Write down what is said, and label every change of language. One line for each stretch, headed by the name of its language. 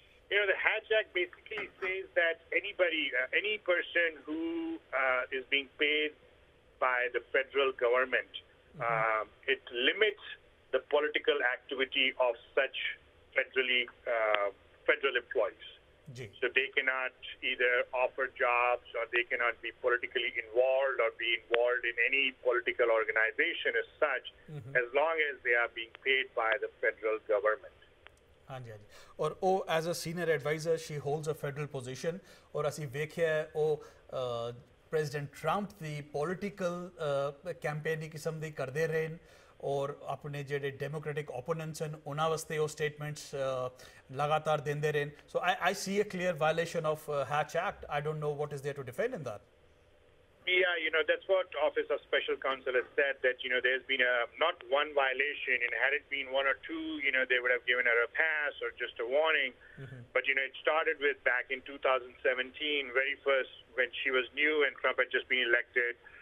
English: You know, the Hatch Act basically says that anybody, any person who is being paid by the federal government, it limits the political activity of such federally federal employees. So they cannot either offer jobs or they cannot be politically involved or be involved in any political organization as such, as long as they are being paid by the federal government.
Punjabi: ਹਾਂਜੀ ਹਾਂਜੀ ਔਰ ਉਹ
English: as a senior adviser she holds a federal position
Punjabi: ਔਰ ਅਸੀਂ ਵੇਖਿਆ ਉਹ president Trump ਦੀ political campaigning ਕਿਸਮ ਦੀ ਕਰਦੇ ਰਹੇ ਔਰ ਆਪਣੇ ਜਿਹੜੇ ਡੈਮੋਕ੍ਰੈਟਿਕ ਓਪੋਨੈਂਟਸ ਹਨ ਉਹਨਾਂ ਵਾਸਤੇ ਉਹ ਸਟੇਟਮੈਂਟਸ ਲਗਾਤਾਰ ਦਿੰਦੇ ਰਹੇ
English: So I I see a clear violation of Hatch Act I don't know what is there to defend in that Yeah, you know, that's what Office of Special Counsel has said, that, you know, there's been a not one violation, and had it been one or two, you know, they would have given her a pass or just a warning. But, you know, it started with back in 2017, very first when she was new and Trump had just been elected.